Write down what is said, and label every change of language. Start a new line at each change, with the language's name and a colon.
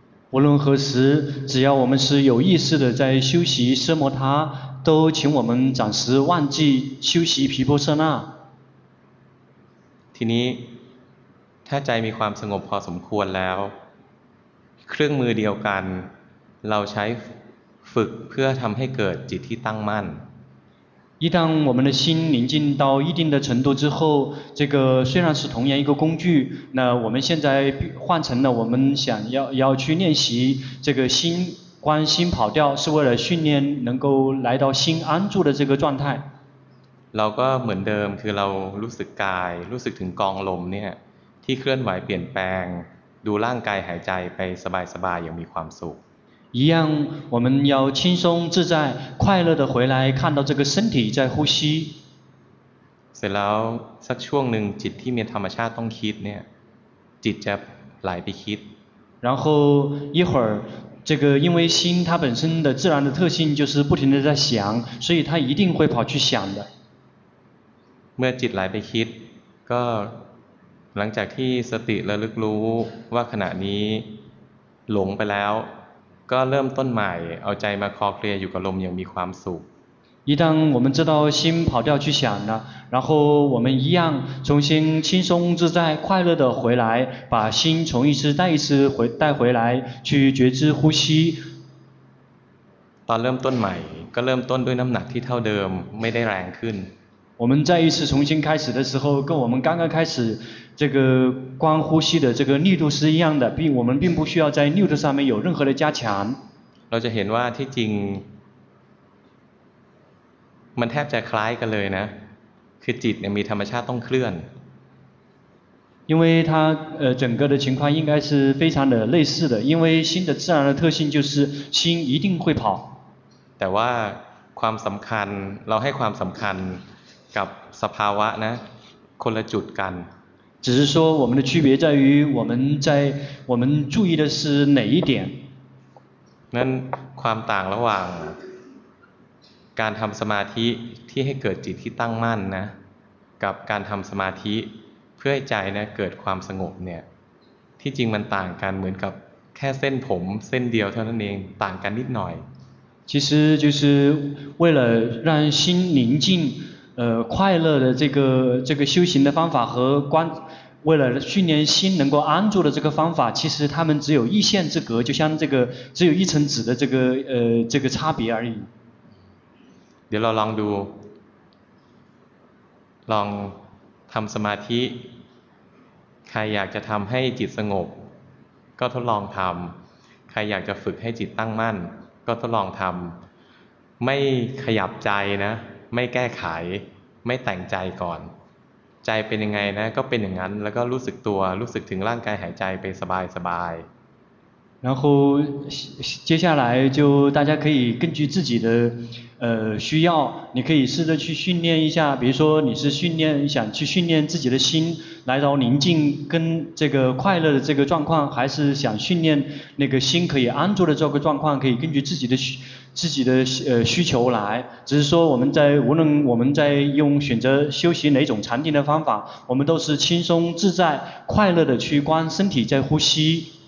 Chinese: 无论何时只要我们是有意识的在修习奢摩他都请我们暂时忘记修习毗婆舍那
Thai: ทีนี้ถ้าใจมีความสงบพอสมควรแล้วเครื่องมือเดียวกันเราใช้ฝึกเพื่อทำให้เกิดจิตที่ตั้งมั่น
Chinese: 一旦我们的心宁静到一定的程度之后这个虽然是同样一个工具那我们现在换成了我们想要去练习这个心关心跑掉是为了训练能够来到心安住的这个状态。
Thai: เราก็เหมือนเดิมคือเรารู้สึกกายรู้สึกถึงกองลมเนี่ยที่เคลื่อนไหวเปลี่ยนแปลงดูร่างกายหายใจไปสบายสบายอย่างมีความสุข
Chinese: 一样，我们要轻松自在、快乐的回来，看到这个身体在呼吸。
Thai: เสร็จแล้วสักช่วงหนึ่งจิตที่มีธรรมชาติต้องคิดเนี่ยจิตจะไหลไปคิด。
Chinese: 然后一会儿，这个因为心它本身的自然的特性就是不停的在想，所以它一定会跑去想的。
Thai: เมื่อจิตไหลไปคิดก็หลังจากที่สติระลึกรู้ว่าขณะนี้หลงไปแล้วก็เริ่มต้นใหม่เอาใจมาคลอเคลียอยู่กับลมยังมีความสุข
Chinese: 一旦我们知道心跑掉去想了然后我们一样重新轻松自在快乐的回来把心从一次带一次回带回来去觉知呼吸
Thai: ตอนเริ่มต้นใหม่ก็เริ่มต้นด้วยน้ำหนักที่เท่าเดิมไม่ได้แรงขึ้น
Chinese: 我们再一次重新开始的时候跟我们刚刚开始这个光呼吸的这个力度是一样的我们并不需要在力度上面有任何的加强
Thai: เราจะเห็นว่าที่จริงมันแทบจะคล้ายกันเลยนะคือจิตเนี่ยมีธรรมชาติต้องเคลื่อน
Chinese: 因为它整个的情况应该是非常的类似的因为心的自然的特性就是心一定会跑
Thai: แต่ว่าความสำคัญเราให้ความสำคัญกับสภาวะนะคนละจุดกัน
Chinese: 只是说我们的区别在于我们在我们注意的是哪一点
Thai: นั้นความต่างระหว่างการทำสมาธิที่ให้เกิดจิตที่ตั้งมั่นนะกับการทำสมาธิเพื่อให้ใจนะเกิดความสงบเนี่ยที่จริงมันต่างกันเหมือนกับแค่เส้นผมเส้นเดียวเท่านั้นเองต่างกันนิดหน่อย
Chinese: 其实就是为了让心宁静快乐的这个修行的方法和为了训练心能够安住的这个方法，其实他们只有一线之隔，就像这个只有一层纸的这个差别而已。
Thai: เดี๋ยวเราลองดูลองทำสมาธิใครอยากจะทำให้จิตสงบก็ทดลองทำใครอยากจะฝึกให้จิตตั้งมั่นก็ทดลองทำไม่ขยับใจนะไม่แก้ไขไม่แต่งใจก่อนใจเป็นยังไงนะก็เป็นอย่างนั้นแล้วก็รู้สึกตัวรู้สึกถึงร่างกายหายใจไปสบายสบาย
Chinese: 然后接下来就大家可以根据自己的需要你可以试着去训练一下比如说你是训练想去训练自己的心来到宁静跟这个快乐的这个状况还是想训练那个心可以安住的这个状况可以根据自己的需求来只是说无论我们在用选择修习哪种禅定的方法我们都是轻松自在快乐的去观身体在呼吸